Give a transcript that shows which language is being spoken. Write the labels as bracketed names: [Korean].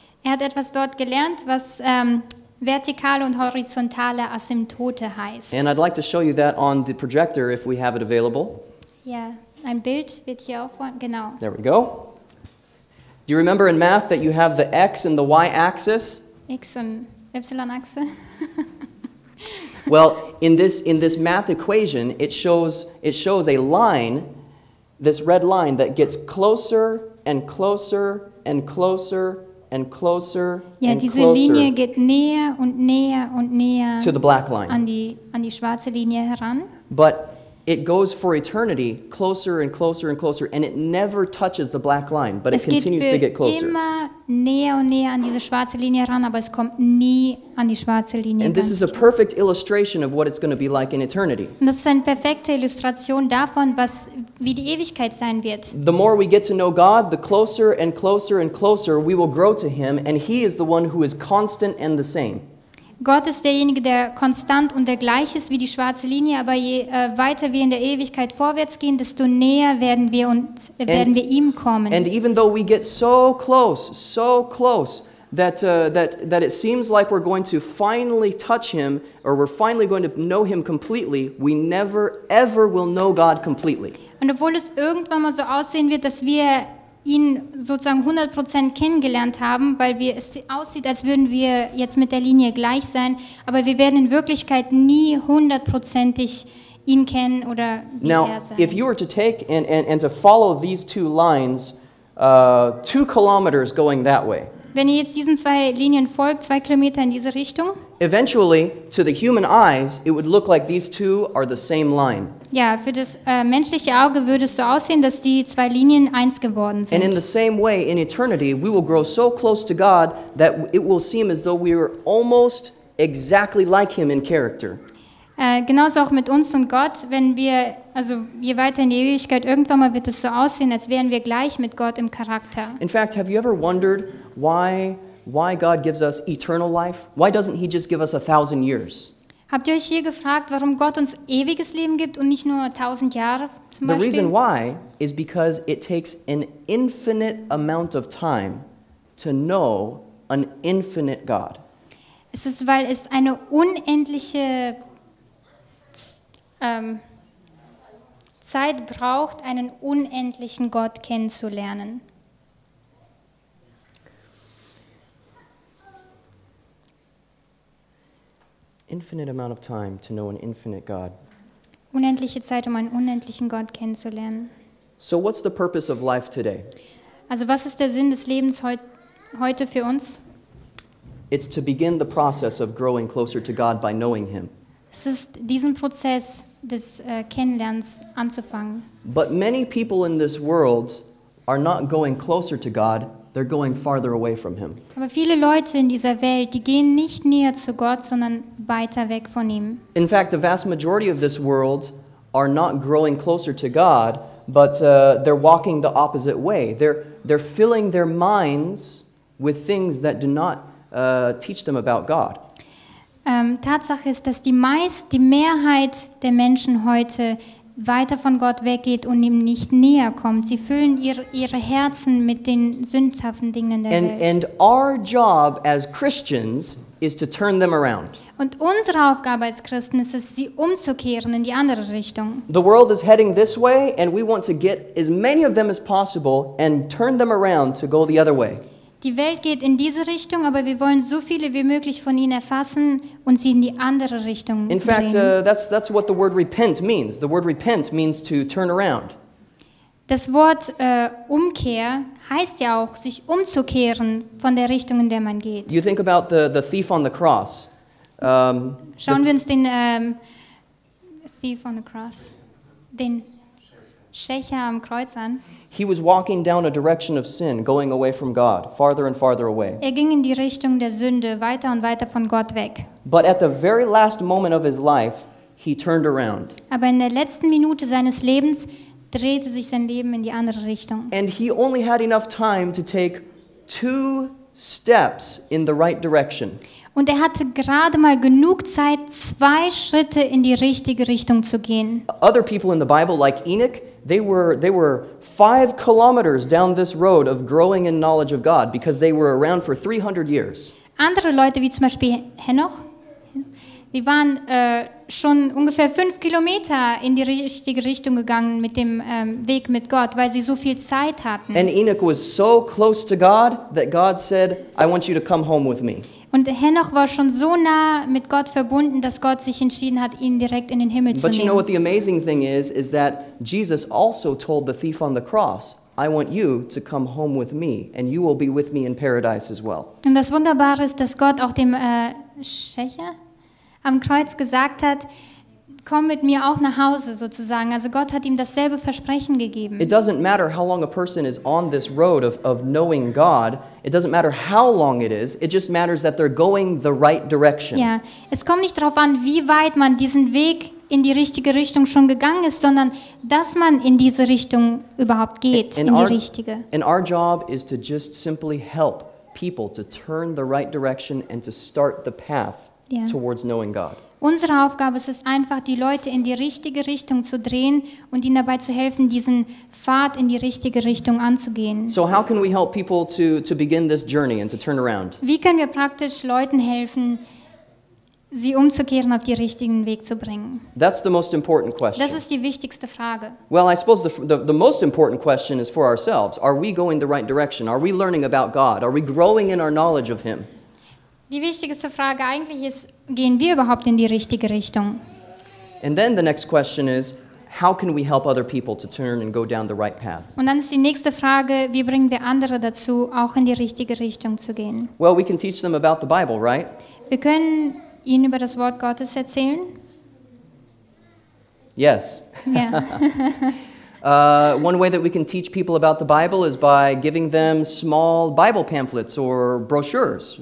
[German] Er hat etwas dort gelernt, was vertikale und horizontale Asymptote heißt. [English] And I'd like to show you that on the projector if we have it available. [German] Ja, ein Bild wird hier auch vorne, genau. [English] There we go. Do you remember in math that you have the x and the y axis? [German] X und y Achse. [English] Well, in this math equation, it shows a line, this red line that gets closer and closer and closer. And closer, [German] ja, [English] and [German] diese [English] closer [German] Linie geht näher und näher und näher [English] to the black line. [German] An die schwarze Linie heran. [English] But it goes for eternity closer and closer and closer, and it never touches the black line, but [German] es [English] it continues to get closer. [German] Es geht immer näher und näher an diese schwarze Linie heran, aber es kommt nie an die schwarze Linie. [English] And this is a perfect illustration of what it's going to be like in eternity. [German] Und das ist eine perfekte Illustration davon, wie die Ewigkeit sein wird. [English] The more we get to know God, the closer and closer and closer we will grow to him, and he is the one who is constant and the same. [German] Gott ist derjenige, der konstant und der gleiche ist wie die schwarze Linie, aber je weiter wir in der Ewigkeit vorwärts gehen, desto näher werden wir wir ihm kommen. [English] And even though we get so close that it seems like we're going to finally touch him or we're finally going to know him completely, we never ever will know God completely. [German] Und obwohl es irgendwann mal so aussehen wird, dass wir ihn sozusagen 100% kennengelernt haben, weil es aussieht, als würden wir jetzt mit der Linie gleich sein, aber wir werden in Wirklichkeit nie 100%ig ihn kennen oder wie er sein. [English] Now, if you were to take and to follow these two lines 2 kilometers going that way. [German] Wenn ihr jetzt diesen zwei Linien folgt, 2 Kilometer in diese Richtung. [English] Eventually, to the human eyes, it would look like these two are the same line. [German] Ja, für das menschliche Auge würde es so aussehen, dass die zwei Linien eins geworden sind. [English] And in the same way, in eternity, we will grow so close to God that it will seem as though we are almost exactly like him in character. [German] Genauso auch mit uns und Gott, wenn wir, also je weiter in die Ewigkeit, irgendwann mal wird es so aussehen, als wären wir gleich mit Gott im Charakter. [English] In fact, have you ever wondered why God gives us eternal life? Why doesn't he just give us 1,000 years? [German] Habt ihr euch je gefragt, warum Gott uns ewiges Leben gibt und nicht nur 1,000 Jahre zum Beispiel? [English] The reason why is because it takes an infinite amount of time to know an infinite God. [German] Es ist, weil es eine unendliche Zeit braucht, einen unendlichen Gott kennenzulernen. [English] Infinite amount of time to know an infinite God. [German] Unendliche Zeit, um einen unendlichen Gott kennenzulernen. [English] So what's the purpose of life today? [German] Also was ist der Sinn des Lebens heute für uns? [English] It's to begin the process of growing closer to God by knowing him. [German] Es ist diesen Prozess des Kennenlernens anzufangen. [English] But many people in this world are not going closer to God, they're going farther away from him. [German] Aber viele Leute in dieser Welt, die gehen nicht näher zu Gott, sondern weiter weg von ihm. [English] In fact, the vast majority of this world are not growing closer to God, but they're walking the opposite way. They're filling their minds with things that do not teach them about God. [German] Tatsache ist, dass die Mehrheit der Menschen heute weiter von Gott weggeht und ihm nicht näher kommt. Sie füllen ihre Herzen mit den sündhaften Dingen der Welt. [English] And our job as Christians is to turn them around. [German] Und unsere Aufgabe als Christen ist es, sie umzukehren in die andere Richtung. [English] The world is heading this way and we want to get as many of them as possible and turn them around to go the other way. [German] Die Welt geht in diese Richtung, aber wir wollen so viele wie möglich von ihnen erfassen und sie in die andere Richtung bringen. [English] In fact, that's what the word repent means. The word repent means to turn around. [German] Das Wort Umkehr heißt ja auch, sich umzukehren von der Richtung, in der man geht. [English] You think about the thief on the cross. [German] Schauen wir uns den [English] thief on the cross, [German] den Schächer am Kreuz an. [English] He was walking down a direction of sin, going away from God, farther and farther away. [German] Er ging in die Richtung der Sünde, weiter und weiter von Gott weg. [English] But at the very last moment of his life, he turned around. [German] Aber in der letzten Minute seines Lebens drehte sich sein Leben in die andere Richtung. [English] And he only had enough time to take 2 steps in the right direction. [German] Und er hatte gerade mal genug Zeit, 2 Schritte in die richtige Richtung zu gehen. [English] Other people in the Bible, like Enoch, They were 5 kilometers down this road of growing in knowledge of God because they were around for 300 years. [German] Andere Leute, wie zum Beispiel Henoch, die waren schon ungefähr 5 Kilometer in die richtige Richtung gegangen mit dem Weg mit Gott, weil sie so viel Zeit hatten. [English] And Enoch was so close to God that God said, I want you to come home with me. [German] Und Henoch war schon so nah mit Gott verbunden, dass Gott sich entschieden hat, ihn direkt in den Himmel zu nehmen. [English] But you know what the amazing thing is that Jesus also told the thief on the cross, I want you to come home with me and you will be with me in paradise as well. [German] Und das Wunderbare ist, dass Gott auch dem Schächer am Kreuz gesagt hat, komm mit mir auch nach Hause sozusagen. Also Gott hat ihm dasselbe Versprechen gegeben. [English] It doesn't matter how long a person is on this road of knowing God. It doesn't matter how long it is. It just matters that they're going the right direction. [German] Ja, es kommt nicht darauf an, wie weit man diesen Weg in die richtige Richtung schon gegangen ist, sondern dass man in diese Richtung überhaupt geht, in die richtige. [English] And our job is to just simply help people to turn the right direction and to start the path towards knowing God. [German] Unsere Aufgabe ist es einfach, die Leute in die richtige Richtung zu drehen und ihnen dabei zu helfen, diesen Pfad in die richtige Richtung anzugehen. [English] So how can we help people to begin this journey and to turn around? [German] Wie können wir praktisch Leuten helfen, sie umzukehren, auf den richtigen Weg zu bringen? [English] That's the most important question. [German] Das ist die wichtigste Frage. [English] Well, I suppose the most important question is for ourselves. Are we going the right direction? Are we learning about God? Are we growing in our knowledge of him? [German] Die wichtigste Frage eigentlich ist, gehen wir überhaupt in die richtige Richtung? [English] And then the next question is, how can we help other people to turn and go down the right path? [German] Und dann ist die nächste Frage, wie bringen wir andere dazu, auch in die richtige Richtung zu gehen? [English] Well, we can teach them about the Bible, right? [German] Wir können ihnen über das Wort Gottes erzählen. [English] Yes. Yeah. One way that we can teach people about the Bible is by giving them small Bible pamphlets or brochures.